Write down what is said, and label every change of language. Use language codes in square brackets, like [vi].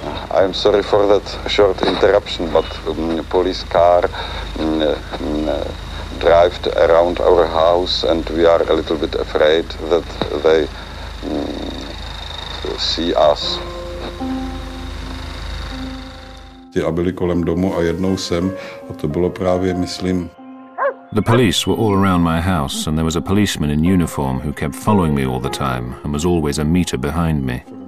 [en] I'm sorry for that short interruption, but police car drive around our house, and we are a little bit afraid that they see us. [cs] Ty byli kolem domu a jednou sem, a to bylo právě, myslím. [en] The police were all around my house, and there was a policeman in uniform who kept following me all the time and was always a meter behind me.